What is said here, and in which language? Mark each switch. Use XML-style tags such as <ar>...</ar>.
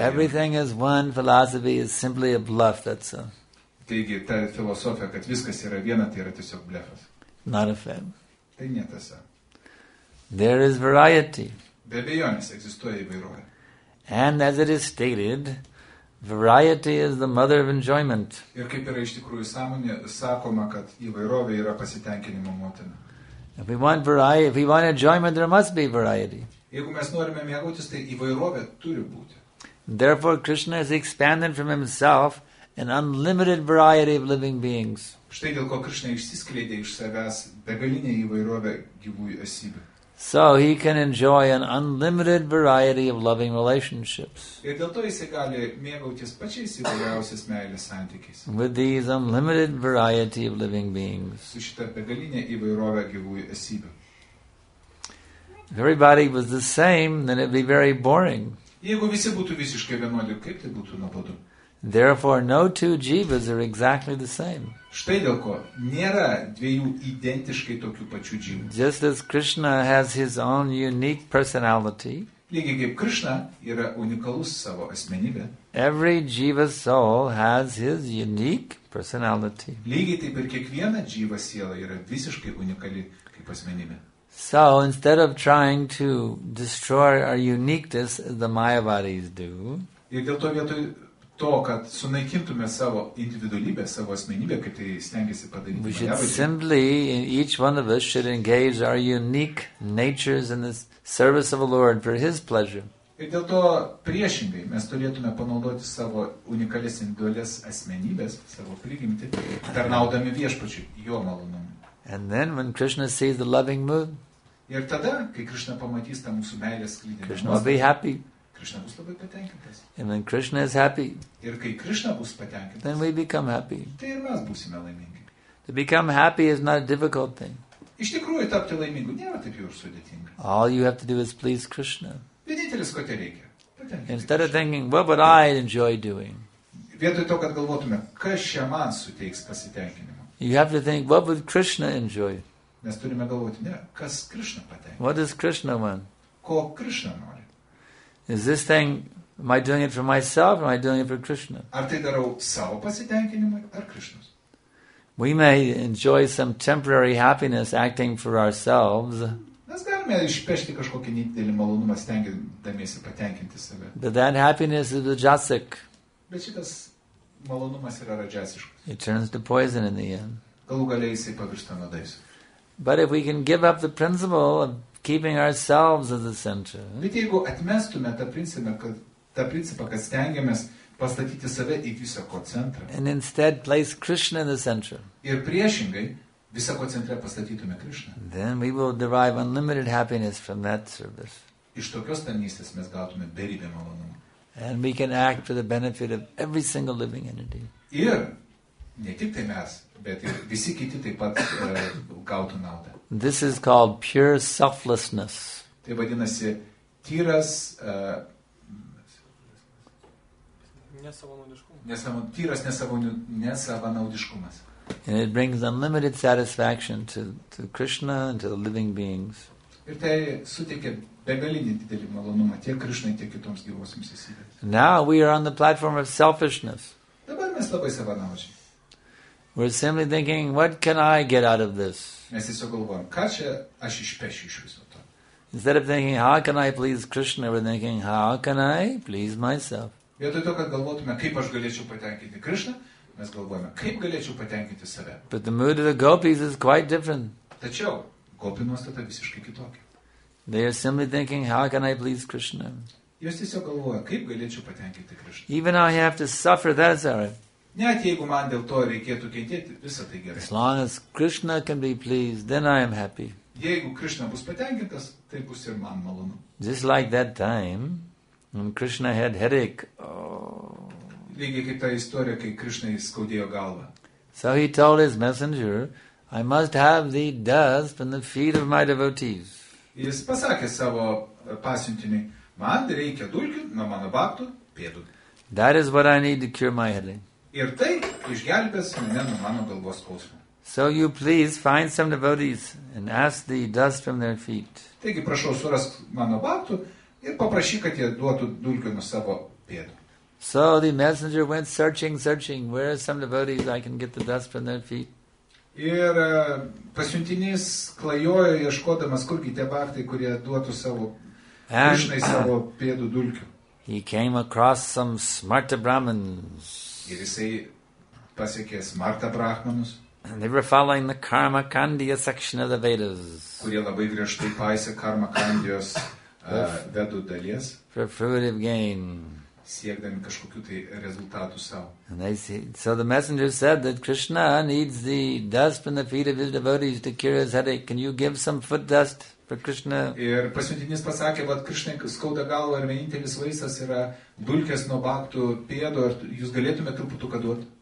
<en>Everything is one, philosophy is simply a bluff, that's all.</en> <lt>Taigi, ta filosofija, kad viskas yra viena, tai yra tiesiog blefas.</lt> <en>Not a fact.</en> <lt>Tai netasa.</lt> <en>There is variety.</en> <lt>Be abejonės, egzistuoja įvairovė.</lt> <en>And as it is stated, variety is the mother of enjoyment.</en> <lt>Ir kaip yra iš tikrųjų sąmonė, sakoma, kad įvairovė yra pasitenkinimo motina.</lt> <en>If we want variety, if we want enjoyment, there must be variety.</en> <lt>Jeigu mes norime mėgautis, tai įvairovė turi būti.</lt> <en>Therefore, Krishna has expanded from himself an unlimited variety of living beings.</en> <lt>Štai dėl ko Krishna išsiskleidė iš savęs begalinę įvairovę gyvųjų esybių.</lt> <en>So he can enjoy an unlimited variety of loving relationships.</en> <lt>Ir dėl to jis gali mėgautis pačiais įvairiausiais meilės santykiais.</lt> <en>With these unlimited variety of living beings.</en> <lt>Su šita begalinė įvairovė gyvųjų esybių.</lt> <en>If everybody was the same, then it'd be very boring.</en> <lt>Jeigu visi būtų visiškai vienodi, kaip tai būtų nuobodu?</lt> <en>Therefore, no two jivas are exactly the same.</en> <lt>Štai dėl ko. Nėra dviejų identiškai tokių pačių jivų.</lt> <en>Just as Krishna has his own unique personality,</en> <lt>lygiai kaip Krishna yra unikalus savo asmenybė,</lt> <en>every jiva soul has his unique personality.</en> <lt>Lygiai taip ir kiekviena jiva siela yra visiškai unikali kaip asmenybė.</lt> <en>So instead of trying to destroy our uniqueness as the Mayavadis do,</en> <lt>ir dėl to vietoj to, kad sunaikintume savo individualybę, savo asmenybę, kaip tai stengiasi padaryti,</lt> <en>we should simply, each one of us should engage our unique natures in the service of the Lord for his pleasure.</en> <lt>Ir dėl to priešingai, mes turėtume panaudoti savo unikalias individualias asmenybės, savo prigimtį, tarnaudami viešpačiui, jo malonumui.</lt> <en>And then when Krishna sees the loving mood,</en> <lt>ir tada, kai Krishna pamatys tą mūsų meilės sklidimą,</lt> <en>Krishna will be happy.</en> <lt>Krishna bus labai patenkintas.</lt> <en>And when Krishna is happy,</en> <lt>ir kai Krishna bus patenkintas,</lt> <en>then we become happy.</en> <lt>Tai ir mes būsime laimingi.</lt> <en>To become happy is not a difficult thing.</en> <lt>Iš tikrųjų, tapti laimingu nėra taip jau sudėtinga.</lt> <en>All you have to do is please Krishna.</en> <lt>Vienintelis, ko tai reikia.</lt> <en>Instead of thinking, what would I enjoy doing?</en> <lt>Vietoj to, kad galvotume, kas čia man suteiks pasitenkinimą.</lt> <en>You have to think, what would Krishna enjoy?</en> <lt>Mes turime galvoti, ne, kas Krishna patenkina.</lt> <en>What does Krishna want?</en> <lt>Ko Krishna nori?</lt> <en>Is this thing, am I doing it for myself or am I doing it for Krishna?</en> <lt>Ar tai darau savo pasitenkinimui ar Krishnas?</lt> <en>We may enjoy some temporary happiness acting for ourselves.</en> <lt>Mes galime išpešti kažkokį nedidelį malonumą stengdamiesi patenkinti save.</lt> <en>But that happiness is rajasic.</en> <lt>Bet šitas malonumas yra rajasiškas.</lt> <en>It turns to poison in the end.</en> <lt>Galų galiai jisai pavirsta nuodais.</lt> <en>But if we can give up the principle of keeping ourselves as the center.</en> <lt>Bet jeigu atmestume tą principą, kad stengiamės pastatyti save į visą ko centrą.</lt> <en>And instead place Krishna in the center.</en> <lt>Ir priešingai, visą ko centrą pastatytume Krishna.</lt> <en>Then we will derive unlimited happiness from that service.</en> <lt>Iš tokios tarnystės mes gautume beribę malonumą.</lt> <en>And we can act for the benefit of every single living entity.</en> <lt>Ir ne tik tai mes, bet ir visi kiti taip pat gautų naudą.</lt> <en>This is called pure selflessness.</en> <lt>Tai vadinasi tyras nesavanaudiškumas.</lt> <en>And it brings unlimited satisfaction to Krishna and to the living beings.</en> <lt>Ir tai suteikia begalinį didelį malonumą tiek Krishnai, tiek kitoms gyvosioms esybėms.</lt> <en>Now we are on the platform of selfishness.</en> <lt>Dabar mes labai savanaudžiai.</lt> <en>We're simply thinking, what can I get out of this?</en> <lt>Mes tiesiog galvojam, ką čia aš išpešiu iš viso to.</lt> <en>Instead of thinking, how can I please Krishna, we're thinking, how can I please myself?</en> <lt>Vietoj to, kad galvotume, kaip aš galėčiau patenkinti Krishna, mes galvojame, kaip galėčiau patenkinti save.</lt> <en>But the mood of the gopis is quite different.</en> <lt>Tačiau, gopi nuostata visiškai kitokia.</lt> <en>They are simply thinking, how can I please Krishna?</en> <lt>Jos tiesiog galvoja, kaip galėčiau patenkinti Krishna.</lt> <en>Even I have to suffer, that's all right.</en> <lt>Net jeigu man dėl to reikėtų kentėti, visa tai gerai.</lt> <en>As long as Krishna can be pleased, then I am happy.</en> <lt>Jeigu Krishna bus patenkintas, tai bus ir man malonu.</lt> <en>Just like that time, when Krishna had headache.</en> <lt>Lygiai kaip ta istorija, kai Krishnai skaudėjo galvą.</lt> <en>So he told his messenger, I must have the dust on the feet of my devotees.</en> <lt>Jis pasakė savo pasiuntiniui, man reikia dulkių nuo mano baktų pėdų.</lt> <en>That is what I need to cure my headache.</en> <lt>Ir tai išgelbės mane nuo mano galvos skausmo.</lt> <en>So you please find some devotees and ask the dust from their feet.</en> <lt>Taigi prašau surask mano baktų ir paprašyk, kad jie duotų dulkių nuo savo pėdų.</lt> <en>So the messenger went searching, where are some devotees I can get the dust from their feet?</en> <lt>Ir pasiuntinys klajojo ieškodamas, kurgi tie baktai, kurie duotų savo Krishnai savo pėdų dulkių.</lt> <en>He came across some smart brahmins.</en> <lt>Ir jisai pasiekė smarta brahmanus.</lt> <en>And they were following the karma kandiya section of the Vedas.</en> <lt>Kurie labai griežtai paisė karma kandijos vedų dalies.</lt> <en>For fruitive gain.</en> <lt>Siekdami kažkokių tai rezultatų savo.</lt> <en>And they see, so the messenger said that Krishna needs the dust from the feet of his devotees to cure his headache. Can you give some foot dust for Krishna?</en> <lt>Ir pasiuntinys pasakė, vat Krishna skauda galvą ir vienintelis vaistas yra dulkės nuo baktų pėdo, ar jūs galėtume truputuką duoti?</lt>